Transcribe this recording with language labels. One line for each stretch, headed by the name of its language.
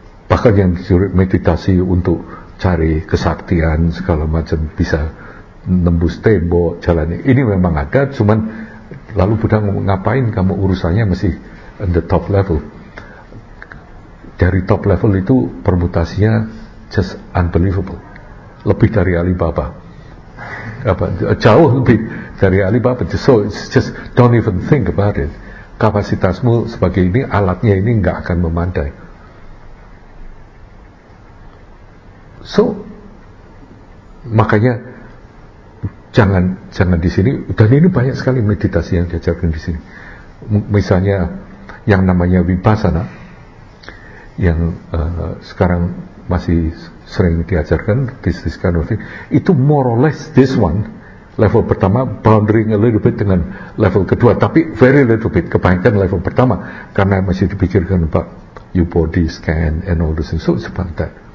Indonesian: Bahkan yang disuruh meditasi untuk cari kesaktian segala macam, bisa nembus tembok jalannya, ini memang ada. Cuman lalu Buddha ngapain kamu urusannya masih
English: in the top level.
Indonesian: Dari top level itu permutasinya
English: just unbelievable,
Indonesian: lebih dari Alibaba. Apa, jauh lebih dari Alibaba.
English: So it's just don't even think about it.
Indonesian: Kapasitasmu sebagai ini, alatnya ini gak akan memandai. So makanya jangan di sini. Dan ini banyak sekali meditasi yang diajarkan di sini. Misalnya yang namanya vipassana yang sekarang masih sering diajarkan,
English: this kind of thing,
Indonesian: itu
English: more or less this one,
Indonesian: level pertama,
English: boundaring a little bit
Indonesian: dengan level kedua, tapi
English: very little bit,
Indonesian: kebanyakan level pertama, karena masih dipikirkan
English: about your body scan and all this, so it's about that.